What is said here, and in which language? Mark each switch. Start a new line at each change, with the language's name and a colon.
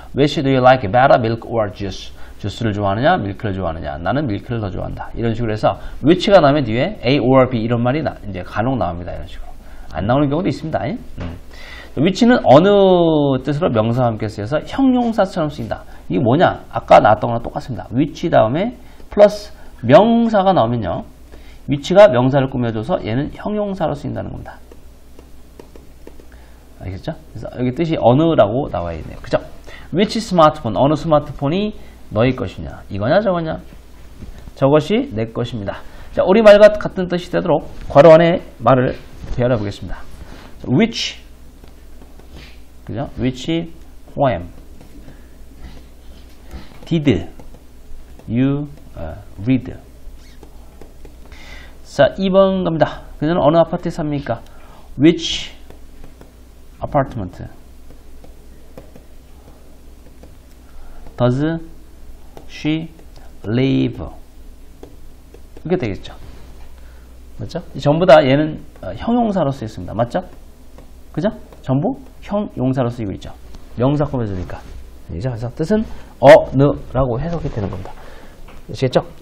English: Which do you like better, milk or juice?
Korean: 주스를 좋아하느냐, 밀크를 좋아하느냐? 나는 밀크를 더 좋아한다. 이런 식으로 해서 which가 나오면 뒤에 A or B 이런 말이 이제 간혹 나옵니다. 이런 식으로 안 나오는 경우도 있습니다. Which는 어느 뜻으로 명사와 함께 쓰여서 형용사처럼 쓰인다. 이게 뭐냐? 아까 나왔던 거랑 똑같습니다. Which 다음에 플러스 명사가 나오면요, 위치가 명사를 꾸며줘서 얘는 형용사로 쓰인다는 겁니다. 알겠죠? 그래서 여기 뜻이 어느라고 나와 있네요. 그죠?
English: Which smartphone?
Korean: 어느 스마트폰이 너의 것이냐? 이거냐 저거냐? 저것이 내 것입니다. 자, 우리 말과 같은 뜻이 되도록 괄호 안에 말을 배열해 보겠습니다.
English: Which?
Korean: 그죠?
English: Which poem? Did you read?
Korean: 자, 2번 갑니다. 그녀는 어느 아파트에 삽니까?
English: Which apartment does she live?
Korean: 이렇게 되겠죠. 맞죠? 전부 다 얘는 형용사로 쓰였습니다. 맞죠? 그죠? 전부 형용사로 쓰이고 있죠. 명사 꾸며주니까. 그래서 뜻은 어느라고 해석이 되는 겁니다. 아시겠죠?